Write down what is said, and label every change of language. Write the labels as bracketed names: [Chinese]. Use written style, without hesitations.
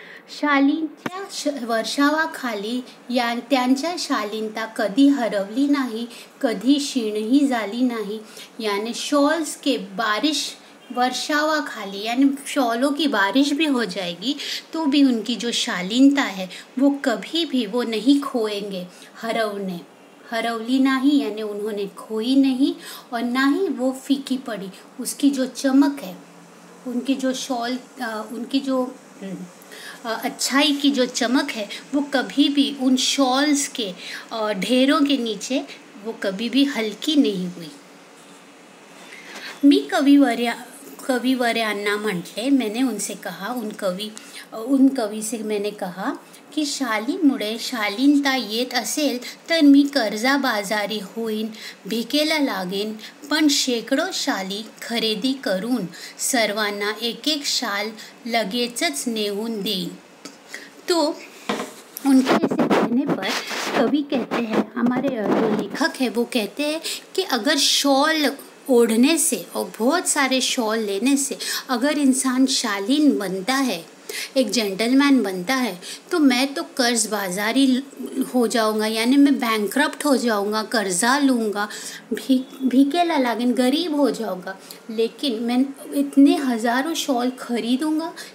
[Marathi] शालीन त्या वर्षावा खाली या त्यांच्या शालीनता कधी हरवली नाही, कधी क्षीणही झाली नाही, [Hindi] यानी शॉल्स के बारिश वर्षावा खाली, यानी शॉलों की बारिश भी हो जाएगी तो भी उनकी जो शालीनता है वो कभी भी वो नहीं खोएंगे, हरवने हरवली नाही, यानी उन्होंने खोई नहीं और ना ही वो फीकी पड़ी। उसकी जो चमक है, उनकी जो शॉल, उनकी जो अच्छाई की जो चमक है, वो कभी भी उन शॉल्स के ढेरों के नीचे वो कभी भी हल्की नहीं हुई। [Marathi] मी कवी वर्यांना म्हटले, [Hindi] मैंने उनसे कहा, उन कवी से मैंने कहा कि [Marathi] शालीनमुळे शालीनता येत असेल तर मी कर्जाबाजारी होईन, भिकेला लागेन, पण शेकडो शाली खरेदी करून सर्वांना एक एक शाल लगेचच नेऊन देईन। [Hindi] तो उनके ऐसे कहने पर कवी कहते हैं, हमारे जो लेखक है वो कहते हैं कि अगर शॉल ओढ़ने से और बहुत सारे शॉल लेने से अगर इंसान शालीन बनता है, एक जेंटलमैन बनता है, तो मैं तो कर्ज बाजारी हो जाऊंगा, यानी मैं बैंकक्रप्ट हो जाऊंगा, कर्जा लूंगा, [Marathi] भीकेला लागिन [Hindi] गरीब हो जाऊंगा, लेकिन मैं इतने हजारों शॉल खरीदूंगा,